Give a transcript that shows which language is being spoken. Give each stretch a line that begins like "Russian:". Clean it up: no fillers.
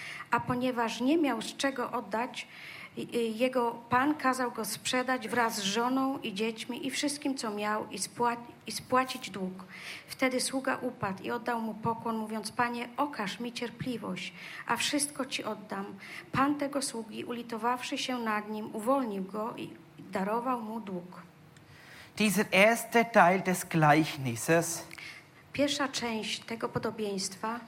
Polish: A ponieważ nie miał z czego oddać, jego pan kazał go sprzedać wraz z żoną i dziećmi i wszystkim, co miał, i spłacić dług. Wtedy sługa upadł i oddał mu pokłon, mówiąc: Panie, okaż mi cierpliwość, a wszystko ci oddam. Pan tego sługi, ulitowawszy się nad nim, uwolnił go i darował mu dług.
German: Dieser erste Teil des Gleichnisses,
Polish: pierwsza część tego podobieństwa,